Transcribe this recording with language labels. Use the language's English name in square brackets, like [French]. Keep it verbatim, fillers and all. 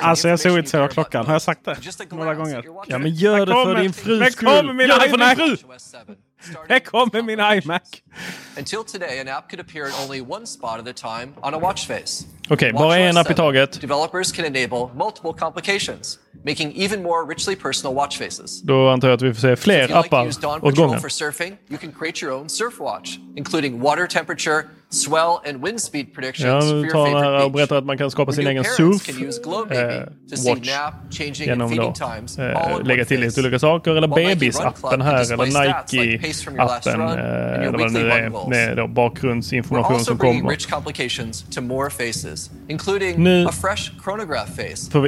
[Swedish] Alltså jag såg inte så klockan. Har jag sagt det? Några gånger. Ja, men gör det för din frus skull. Gör det för din fru. Här kommer min iMac. [English] Until today, an app could appear in only one spot at a time on a watch face. [Swedish] Okej, bara en app i taget. [English] Developers can enable multiple complications, making even more richly personal watch faces. [Swedish] Då antar jag att vi får se fler so appar åt gången. [English] If you like to use Dawn Patrol for surfing, you can create your own surf watch, including water temperature, swell and wind speed predictions [Swedish] ja, [English] for your favorite beach. [Swedish] Ja, och berättar att man kan skapa sin egen surf eh, watch genom då eh, lägga till lite olika saker eller Babies-appen här eller Nike-appen eh, eller vad det nu är med då bakgrundsinformation som kommer. [English] Rich complications to more faces, including nu a fresh chronograph face